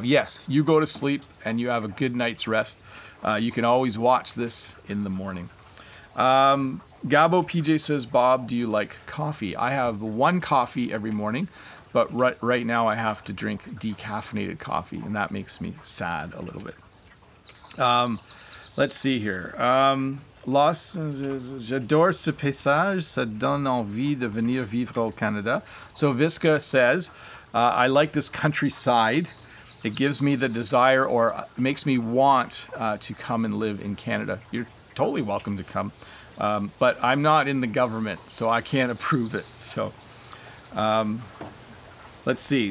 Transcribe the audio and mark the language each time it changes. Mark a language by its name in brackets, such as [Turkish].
[English] Yes, you go to sleep and you have a good night's rest. You can always watch this in the morning. Gabo PJ says, Bob, do you like coffee? I have one coffee every morning, but right now I have to drink decaffeinated coffee, and that makes me sad a little bit. Let's see here. [French] J'adore ce paysage, ça donne envie de venir vivre au Canada. [English] So Visca says, I like this countryside. It gives me the desire, or makes me want to come and live in Canada. You're totally welcome to come, but I'm not in the government, so I can't approve it. So let's see.